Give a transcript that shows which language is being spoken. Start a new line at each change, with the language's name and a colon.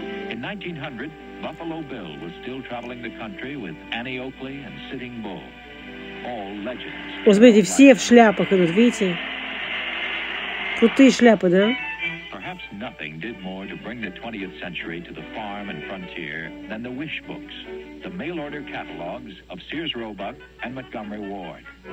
English: In 1900, Buffalo Bill was still traveling the country with Annie Oakley and Sitting Bull. All legends.
Russian: Вот смотрите, все в шляпах идут, видите? Крутые шляпы, да?
English: Perhaps nothing did more to bring the 20th century to the farm and frontier than the wish books, the mail order catalogs of Sears Roebuck and Montgomery Ward.